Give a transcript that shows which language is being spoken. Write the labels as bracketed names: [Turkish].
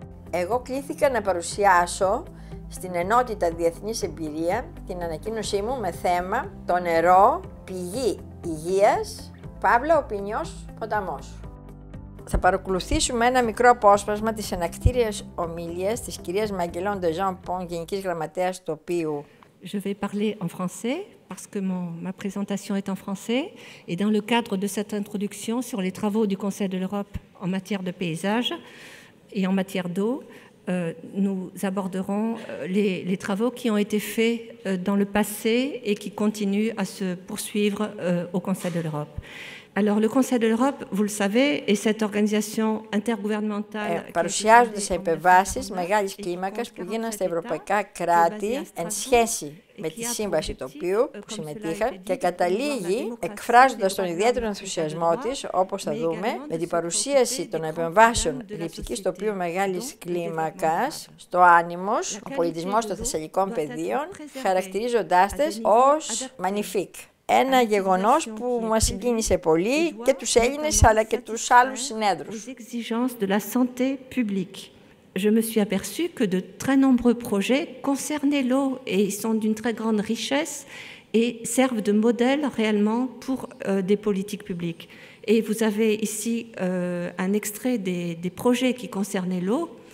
[Greek] Εγώ κλήθηκα να παρουσιάσω στην Ενότητα Διεθνής Εμπειρία την ανακοίνωσή μου με θέμα «Το νερό, πηγή υγείας, Παύλα, ο Πηνιός, ποταμός». Θα παρακολουθήσουμε ένα μικρό απόσπασμα της ανακτήριας ομιλίας της κυρίας Μαγγελόν Ντεζόν-Πον, Γενικής Γραμματέας Τοπίου. [French] Je vais parler en français parce que ma présentation est en français et dans le cadre de cette introduction sur les travaux du Conseil de l'Europe en matière de paysage et en matière d'eau, nous aborderons les travaux qui ont été faits dans le passé et qui continuent à se poursuivre au Conseil de l'Europe. Alors, le Conseil de l'Europe, vous le savez, est cette organisation intergouvernementale. [Greek] Παρουσιάζονται σε επεμβάσεις μεγάλης κλίμακας που γίνανε στα ευρωπαϊκά κράτη εν σχέση με τη σύμβαση τοπίου που συμμετείχα και καταλήγει εκφράζοντας τον ιδιαίτερο ενθουσιασμό της, όπως θα δούμε, με την παρουσίαση των επεμβάσεων ληπτικής τοπίου μεγάλης κλίμακας στο Άνιμος, ο πολιτισμός των θεσσαλικών πεδίων, χαρακτηρίζοντάς τες ως magnifique. Ένα γεγονός που μας συγκίνησε πολύ και τους Έλληνες αλλά και τους άλλους συνέδρους. [French] Exigences de la santé publique. Je me suis aperçue que de très nombreux projets concernaient l'eau et ils sont d'une très grande richesse et servent de modèle réellement pour des politiques publiques. Et vous avez ici un extrait des projets qui concernaient l'eau.